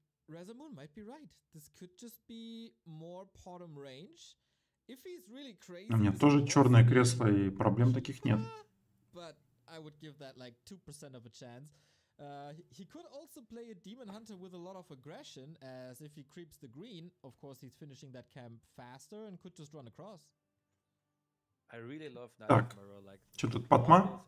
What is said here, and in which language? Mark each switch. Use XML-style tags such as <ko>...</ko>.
<en>Resimoon might be right. This could just be more bottom range. If he's really crazy.</en> <ru>У меня тоже черное кресло, и проблем таких нет.</ru> <en>But I would give that like 2% of a chance. He could also play a Demon Hunter with a lot of aggression, as if he creeps the green, of course he's finishing that camp faster and could just run across. I really love Night Elf Mirror, like</en> <ru>что тут Патма?</ru>